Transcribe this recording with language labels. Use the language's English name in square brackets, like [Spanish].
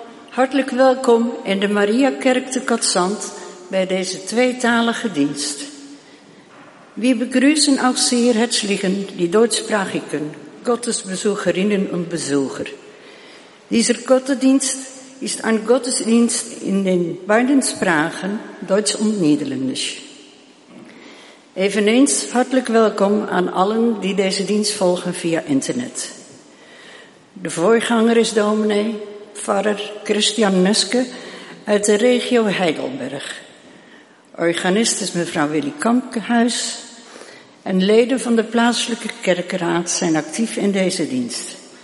[Dutch] Hartelijk welkom in de Mariakerk te Katzand bij deze tweetalige dienst. [German] Wir begrüßen auch sehr herzlichen die deutschsprachigen Gottesbesucherinnen und Besucher. Dieser Gottesdienst ist ein Gottesdienst in den beiden Sprachen Deutsch und Niederländisch. [Dutch] Eveneens hartelijk welkom aan allen die deze dienst volgen via internet. De voorganger is dominee, farrer Christian Nuske uit de regio Heidelberg. Organist is mevrouw Willy Kampkehuis en leden van de plaatselijke kerkenraad zijn actief in deze dienst.